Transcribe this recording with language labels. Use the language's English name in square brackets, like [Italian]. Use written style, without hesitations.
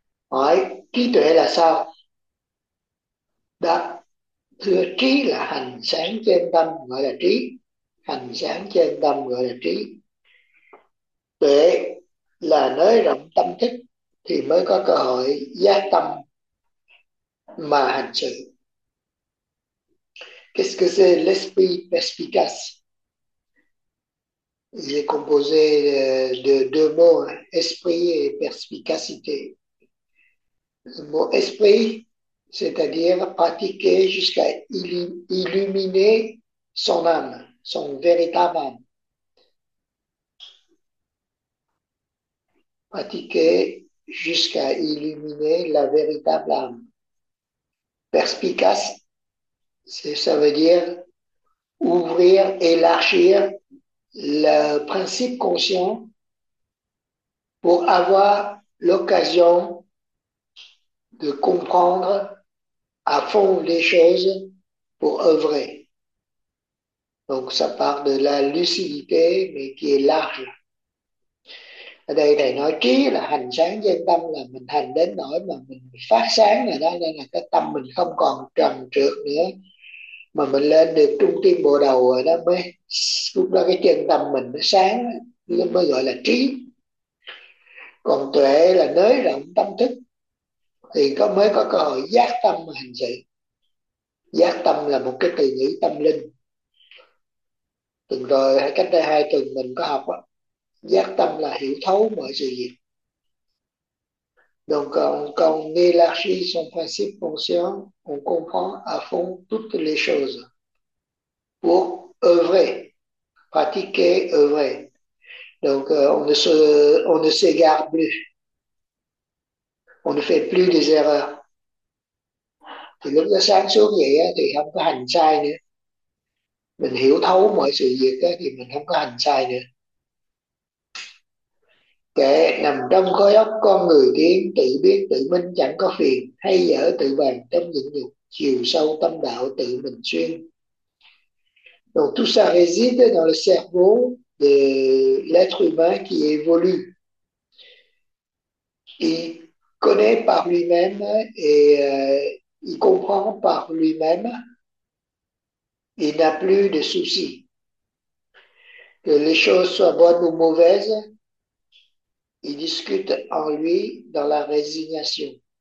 [Vietnamese] Hỏi trí tuệ là sao? Đáp: thưa, trí là hành sáng trên tâm gọi là trí. Hành sáng trên tâm gọi là trí. Tuệ là nới rộng tâm thức thì mới có cơ hội giác tâm mà hành sự. [French] Qu'est-ce que c'est l'esprit perspicace? Il est composé de deux mots, esprit et perspicacité. Le mot esprit, c'est-à-dire pratiquer jusqu'à illuminer son âme, son véritable âme. Pratiquer jusqu'à illuminer la véritable âme. Perspicace, ça veut dire ouvrir, élargir le principe conscient pour avoir l'occasion de comprendre à fond les choses pour œuvrer. Donc ça part de la lucidité, mais qui est large. [Vietnamese] Ở đây thầy nói trí là hành sáng trên tâm, là mình hành đến nỗi mà mình phát sáng rồi đó, nên là cái tâm mình không còn trần trượt nữa. Mà mình lên được trung tâm bộ đầu rồi đó, mới lúc đó cái chân tâm mình nó sáng, nó mới gọi là trí. Còn tuệ là nới rộng tâm thức thì có mới có cơ hội giác tâm hành sự. Giác tâm là một cái từ ngữ tâm linh. Từng rồi cách đây 2 tuần mình có học đó, giác tâm là hiểu thấu mọi sự việc. [French] Donc, quand on élargit son principe conscient, on comprend à fond toutes les choses pour œuvrer, pratiquer, œuvrer. Donc, on ne s'égare plus. On ne fait plus des erreurs. [Vietnamese] Thì lúc nó sáng suốt vậy thì không có hành sai nữa. Mình hiểu thấu mọi sự việc thì mình không có hành sai nữa. Kệ nằm trong khối óc con người tiến, tự biết tự minh chẳng có phiền, hay dở tự bàn trong những dục, chiều sâu tâm đạo tự mình xuyên. [French] Donc tout ça réside dans le cerveau de l'être humain qui évolue. Il connaît par lui-même et il comprend par lui-même. Il n'a plus de soucis. Que les choses soient bonnes ou mauvaises, il discute en lui dans la résignation.